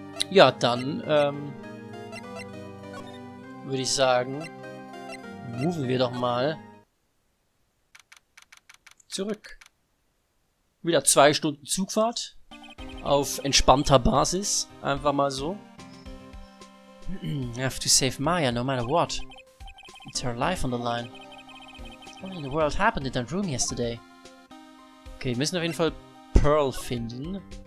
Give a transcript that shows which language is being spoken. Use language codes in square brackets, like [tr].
[de] Ja, dann würde ich sagen, move wir doch mal zurück. Wieder 2 Stunden Zugfahrt auf entspannter Basis, einfach mal so. [en] I have to save Maya, no matter what. It's her life on the line. What in the world happened in that room yesterday? [de] Okay, wir müssen auf jeden Fall Pearl finden.